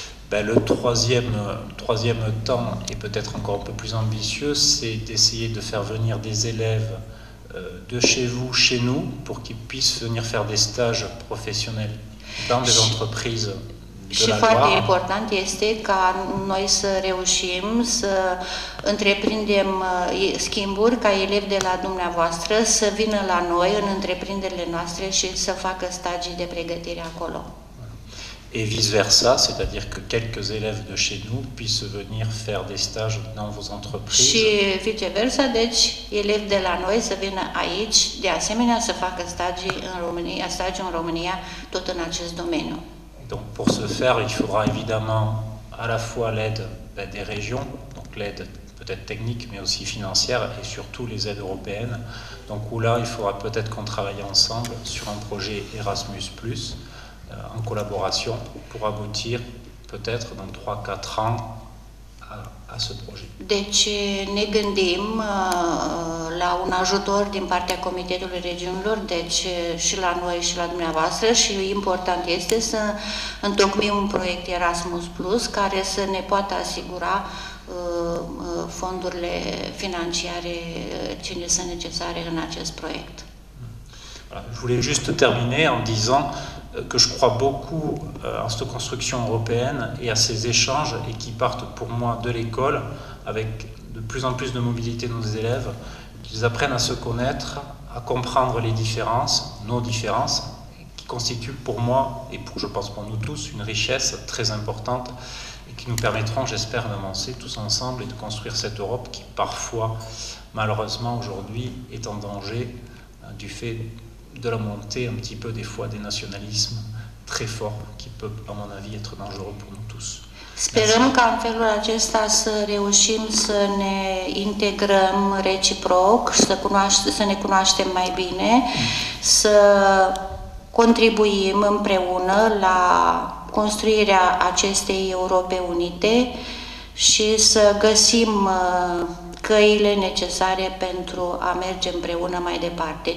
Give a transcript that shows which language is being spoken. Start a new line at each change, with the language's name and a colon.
French: Ben, le troisième temps est peut-être encore un peu plus ambitieux, c'est d'essayer de faire venir des élèves de chez vous, chez nous, pour qu'ils puissent venir faire des stages professionnels dans des entreprises de la Loire.
Romanian: Și foarte important este ca noi să reușim să întreprindem schimburi ca elevi de la dumneavoastră să vină la noi în întreprinderile noastre și să facă stagii de pregătire acolo.
French: Et vice-versa, c'est-à-dire que quelques élèves de chez nous puissent venir faire des stages dans vos entreprises.
Romanian: Și vice-versa, deci, elevi de la noi să vină aici, de asemenea, să facă stagii în România, tot în acest domeniu.
French: Donc, pour ce faire, il faudra évidemment à la fois l'aide des régions, donc l'aide peut-être technique, mais aussi financière, et surtout les aides européennes. Donc, où là, il faudra peut-être qu'on travaille ensemble sur un projet Erasmus+, în colaboration pour aboutir peut-être dans 3-4 ans à ce projet.
Romanian: Deci ne gândim la un ajutor din partea Comitetului Regiunilor, deci și la noi și la dumneavoastră, și important este să întocmim un proiect Erasmus+ care să ne poată asigura fondurile financiare ce ne sunt necesare în acest proiect.
French: Voilà, je voulais juste terminer en disant que je crois beaucoup à cette construction européenne et à ces échanges et qui partent pour moi de l'école avec de plus en plus de mobilité de nos élèves, qu'ils apprennent à se connaître, à comprendre les différences, nos différences, qui constituent pour moi et pour, je pense, pour nous tous une richesse très importante et qui nous permettront, j'espère, d'avancer tous ensemble et de construire cette Europe qui parfois, malheureusement, aujourd'hui, est en danger du fait de la montée un petit peu des fois des nationalismes très forts qui peut à mon avis être dangereux pour nous tous.
Romanian: Sperăm ca în felul acesta să reușim să ne integrăm reciproc, să ne cunoaștem mai bine, să contribuim împreună la construirea acestei Europe unite și să găsim căile necesare pentru a merge împreună mai departe.